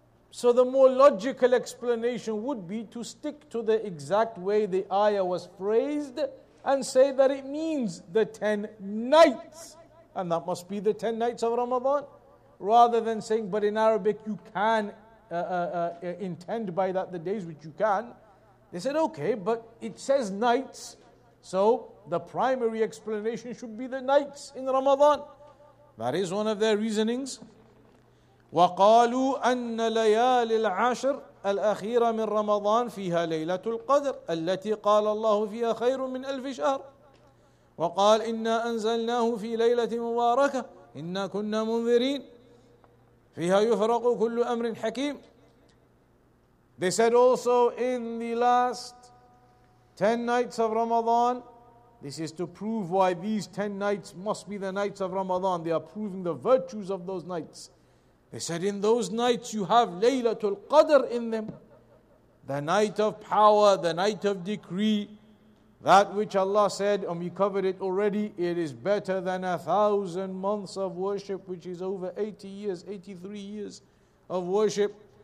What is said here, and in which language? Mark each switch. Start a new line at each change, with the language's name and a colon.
English: So the more logical explanation would be to stick to the exact way the ayah was phrased and say that it means the 10 nights. And that must be the 10 nights of Ramadan. rather than saying, but in Arabic you can intend by that the days which you can. They said, okay, but it says nights, so the primary explanation should be the nights in Ramadan. That is one of their reasonings.
Arabic: وَقَالُوا أَنَّ لَيَالِ الْعَشْرِ الأخيرة من رمضان فيها ليلة القدر التي قال الله فيها خير من ألف شهر وقال إنا أنزلناه في ليلة مباركة إنا كنا منذرين فيها يفرق كل أمر حكيم.
English: They said also in the last 10 nights of Ramadan, this is to prove why these 10 nights must be the nights of Ramadan. They are proving the virtues of those nights. They said, in those nights you have Laylatul Qadr in them, the night of power, the night of decree, that which Allah said, and we covered it already, it is better than 1,000 months of worship, which is over 80 years, 83 years of worship.